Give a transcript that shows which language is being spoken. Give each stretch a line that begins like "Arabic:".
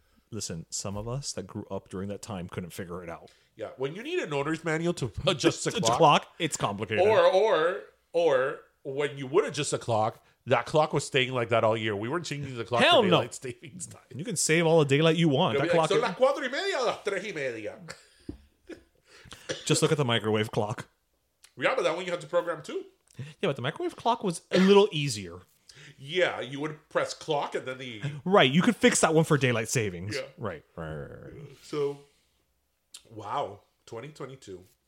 English: Listen, some of us that grew up during that time couldn't figure it out. Yeah, when you need an owner's manual to adjust the clock, it's complicated. Or when you would adjust the clock, that clock was staying like that all year. We weren't changing the clock. Hell for no. Daylight savings time. You can save all the daylight you want. That clock, like,
Spanish: son las cuatro y media, las tres y media.
English: Just look at the microwave clock. Yeah, but that one you had to program too. Yeah, but the microwave clock was a little easier. Yeah, you would press clock and then the... Right, you could fix that one for daylight savings. Yeah. Right. So, wow, 2022.